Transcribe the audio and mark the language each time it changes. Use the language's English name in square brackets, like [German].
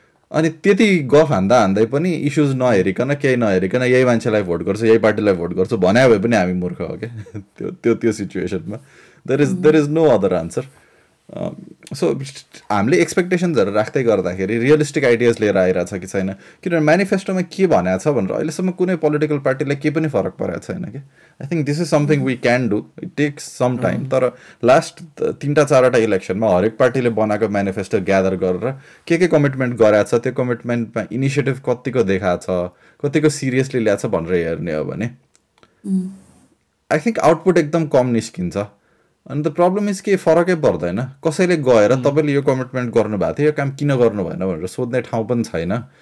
[Nepali] अनि त्यति गफ हान्दा हान्दै पनि इस्युज नहेरिकन, केही नहेरिकन यही मान्छेलाई भोट गर्छु, यही पार्टीलाई भोट गर्छु भन्या भए पनि हामी मूर्ख हो क्या. त्यो त्यो त्यो [English] सिचुएसनमा there is no other answer. [Nepali] So हामीले एक्सपेक्टेसन्सहरू राख्दै गर्दाखेरि रियलिस्टिक आइडियाज लिएर आइरहेछ कि छैन, किनभने मेनिफेस्टोमा के भनेको छ भनेर अहिलेसम्म कुनै पोलिटिकल पार्टीलाई केही पनि फरक परेको छैन कि. [English] I think this is something we can do, it takes some time. [Nepali] तर लास्ट 3-4 इलेक्सनमा हरेक पार्टीले बनाएको मेनिफेस्टो ग्यादर गरेर के कमिटमेन्ट गराएको छ, त्यो कमिटमेन्टमा इनिसिएटिभ कतिको देखाएको छ, कतिको सिरियसली ल्याएको छ भनेर हेर्ने हो भने [English] I think [Nepali] आउटपुट एकदम कम निस्किन्छ. अनि [English] the problem is [Nepali] के, फरकै पर्दैन कसैले गएर तपाईँले यो कमिटमेन्ट गर्नुभएको थियो, यो काम किन गर्नु भएन भनेर सोध्ने ठाउँ पनि छैन.